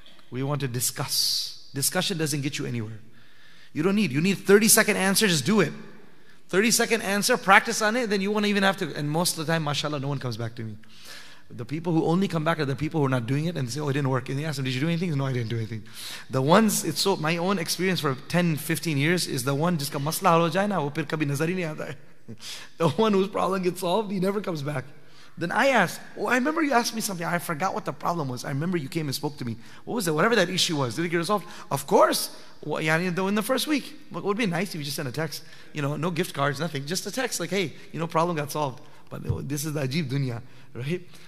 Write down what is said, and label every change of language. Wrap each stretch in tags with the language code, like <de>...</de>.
<en>We want to discuss. Discussion doesn't get you anywhere. You don't need. You need 30-second answer, just do it. 30-second answer, practice on it, then you won't even have to. And most of the time, mashallah, no one comes back to me. The people who only come back are the people who are not doing it and say, oh, it didn't work. And they ask them, did you do anything? No, I didn't do anything. The ones, it's so, my own experience for 10, 15 years is the one,</en> <ur>جس کا مسئلہ ہو جائے نا، وہ پھر کبھی نظر ہی نہیں آتا.</ur> <en>The one whose problem gets solved, he never comes back. Then I ask, oh, I remember you asked me something. I forgot what the problem was. I remember you came and spoke to me. What was it? Whatever that issue was, did it get resolved? Of course. Well, yeah, though in the first week. But it would be nice if you just sent a text. You know, no gift cards, nothing. Just a text like, hey, you know, problem got solved. But this is the</en> <ur>ajeeb dunya,</ur> <en>right?</en>